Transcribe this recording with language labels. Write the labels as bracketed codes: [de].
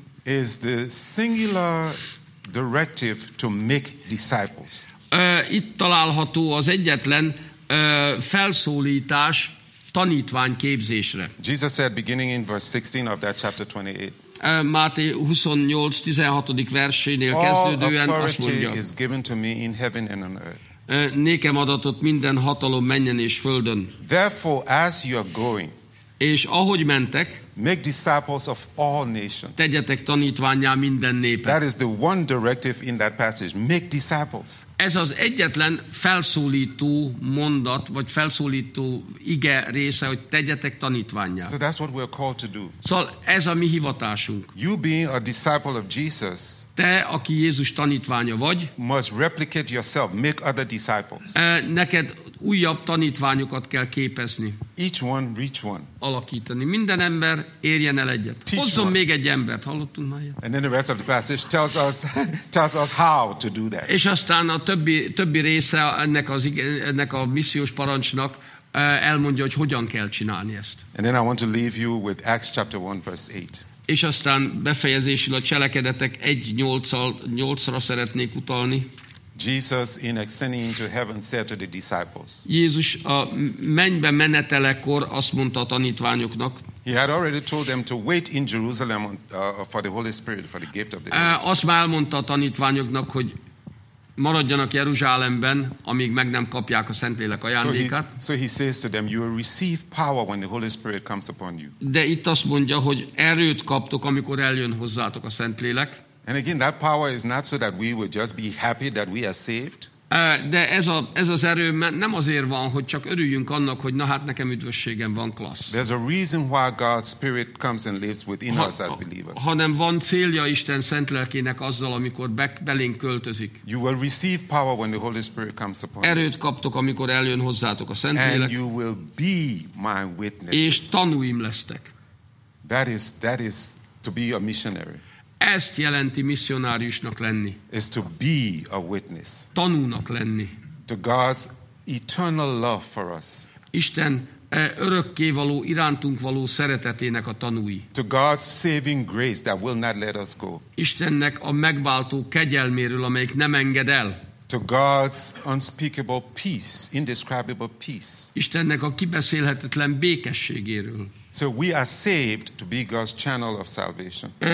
[en] is the singular directive to make disciples. [hu] Itt található az egyetlen felszólítás tanítvány képzésre. [en] Jesus said beginning in verse 16 of that chapter 28. [hu] Máté 28:16. Versénél kezdődően azt mondja: [en] is given to me in heaven and on earth. [hu] Nékem adatot minden hatalom menjen és földön. [en] Therefore, as you are going, [hu] és ahogy mentek, [en] make disciples of all nations. [hu] Tegyetek tanítvánnyá minden népet. [en] That is the one directive in that passage. Make disciples. [hu] Ez az egyetlen felszólító mondat, vagy felszólító ige része, hogy tegyetek tanítvánnyá. [en] So that's what we are called to do. [hu] Szóval ez a mi hivatásunk. [en] You being a disciple of Jesus, [hu] te, aki Jézus tanítványa vagy, [en] must replicate yourself, make other disciples. [hu] Neked újabb tanítványokat kell képezni. [en] Each one reach one. [hu] Alakítani. Minden ember érjen el egyet. Hozzon még egy embert. Hallottunk már ilyet? [en] And then the rest of the passage tells us how to do that. [hu] És aztán a többi része ennek a missziós parancsnak elmondja, hogy hogyan kell csinálni ezt. [en] And then I want to leave you with Acts chapter 1 verse 8. [hu] És aztán befejezésül a Cselekedetek 1:8-ra szeretnék utalni. [en] Jesus in ascending into heaven said to the disciples. [hu] Jézus a mennybe menetelekor azt mondta a tanítványoknak. [en] He had already told them to wait in Jerusalem for the Holy Spirit, for the gift of the Holy Spirit. [hu] Azt már mondta a tanítványoknak, hogy maradjanak Jeruzsálemben, amíg meg nem kapják a Szentlélek ajándékát. [en] So he says to them, you will receive power when the Holy Spirit comes upon you. [hu] De itt azt mondja, hogy erőt kaptok, amikor eljön hozzátok a Szentlélek. [en] And again, that power is not so that we would just be happy that we are saved. [hu] De ez az erő nem azért van, hogy csak örüljünk annak, hogy na hát nekem üdvösségem van, klassz. [en] There's a reason why God's Spirit comes and lives within us as believers. [hu] Hanem van célja Isten szent lelkének azzal, amikor belénk költözik. [en] You will receive power when the Holy Spirit comes upon you. [hu] Erőt kaptok, amikor eljön hozzátok a Szentlélek. [en] And you will be my witnesses. [hu] És tanúim lesztek. [en] That is to be a missionary. [hu] Ezt jelenti misszionáriusnak lenni. [en] Is to be a witness. [hu] Tanúnak lenni. [en] To God's eternal love for us. [hu] Isten örökkévaló irántunk való szeretetének a tanúi. [en] To God's saving grace that will not let us go. [hu] Istennek a megváltó kegyelméről, amelyik nem enged el. [en] To God's unspeakable peace, indescribable peace. [hu] Istennek a kibeszélhetetlen békességéről. [en] So we are saved to be God's channel of salvation.